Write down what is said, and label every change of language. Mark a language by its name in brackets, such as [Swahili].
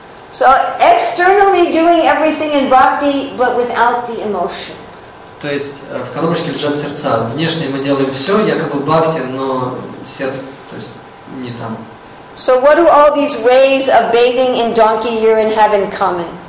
[English] So externally doing everything in bhakti, but without the emotion. [Russian] То есть в коробочке лежат сердца. Внешне мы делаем все, якобы бхакти, но сердце, то есть не там. [English] So what do all these ways of bathing in donkey urine have in common?